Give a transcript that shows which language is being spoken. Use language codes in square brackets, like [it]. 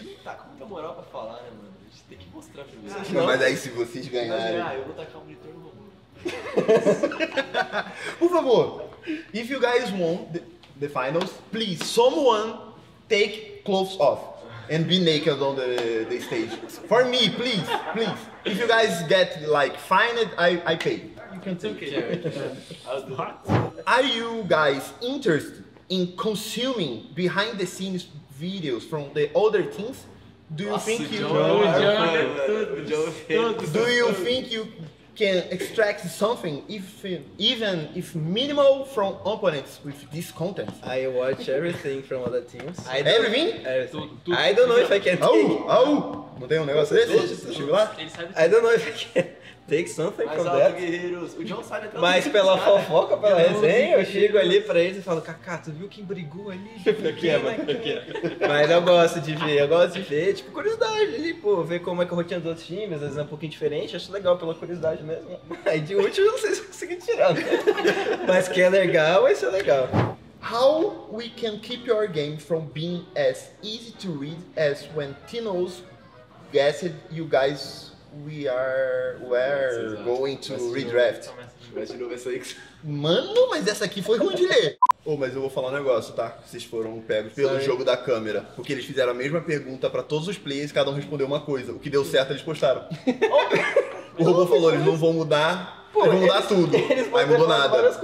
[pt] Tá com muita moral pra falar, né, mano? A gente tem que mostrar pra vocês. Não, mas aí se vocês ganharem... Ah, eu vou tacar o monitor no robô. [en] Por favor, if you guys won the finals, please, someone take clothes off and be naked on the stage. For me, please, please. If you guys get like fined, I pay. You can take it. Are you guys interested in consuming behind the scenes videos from the other teams? Do you think you can extract something, even if minimal, from opponents with this content? I watch everything from other teams. Everything? I don't know if I can take... [pt] Oh! Não tem negócio desse? Deixa eu lá. [en] I don't know if I can take something from that. [pt] Guerreiros. O John sabe até. Mas pela fofoca, pela resenha, eu chego ali pra eles e falo, Kaká, tu viu quem brigou ali? Aqui é, mano. Mas eu gosto de ver, tipo, curiosidade ali, pô, ver como é que a rotina dos outros times, às vezes é um pouquinho diferente, acho legal pela curiosidade mesmo. Aí de último eu não sei se eu consigo tirar, né? Mas que é legal, isso é legal. [en] How we can keep your game from being as easy to read as when Tino's guessed you guys were going to redraft? [pt] Mano, mas essa aqui foi ruim de ler. Oh, mas eu vou falar um negócio, tá? Vocês foram pegos pelo jogo da câmera. Porque eles fizeram a mesma pergunta pra todos os players, cada um respondeu uma coisa. O que deu certo, eles postaram. O robô falou, eles não vão mudar. Pô, eles vão mudar tudo. Aí mudou nada.